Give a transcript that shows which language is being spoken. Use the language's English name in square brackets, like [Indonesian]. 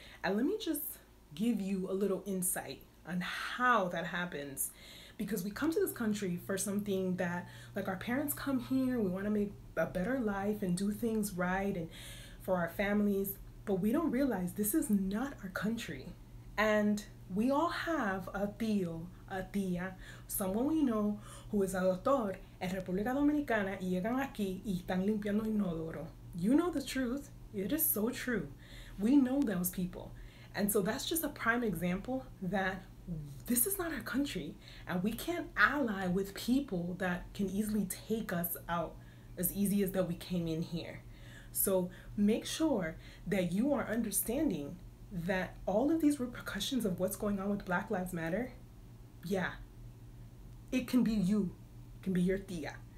[English] And let me just give you a little insight on how that happens, because we come to this country for something that, like, our parents come here, we want to make a better life and do things right and for our families, but we don't realize this is not our country. And we all have a tío, a tía, someone we know who is a doctor [Spanish] en República Dominicana y llegan aquí y están limpiando inodoro. [English] You know the truth. It is so true. We know those people. And so that's just a prime example that this is not our country and we can't ally with people that can easily take us out as easy as that we came in here. So make sure that you are understanding that all of these repercussions of what's going on with Black Lives Matter, yeah, it can be you, it can be your tía.